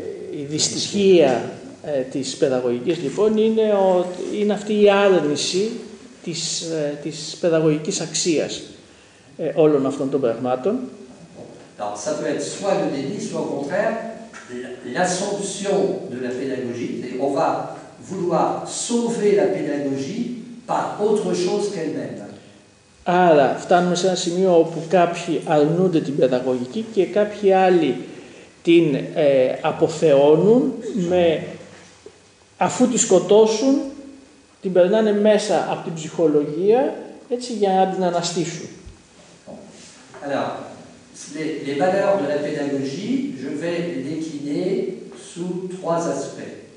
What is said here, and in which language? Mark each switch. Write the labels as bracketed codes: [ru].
[el] Η δυστυχία της παιδαγωγικής λοιπόν είναι αυτή η άρνηση της παιδαγωγικής αξίας όλων αυτών των πραγμάτων. [fr] Alors, ça peut être soit le déni, soit au contraire l'assomption de la pédagogie. C'est-à-dire, on va vouloir sauver la pédagogie par autre chose qu'elle-même. [el] Άρα, φτάνουμε σε ένα σημείο όπου κάποιοι αρνούνται την παιδαγωγική και κάποιοι άλλοι την αποθεώνουν με αφού τη σκοτώσουν, την περνάνε μέσα από την ψυχολογία έτσι για να την αναστήσουν. [fr] Alors, les valeurs de la pédagogie, je vais les décliner sous trois aspects.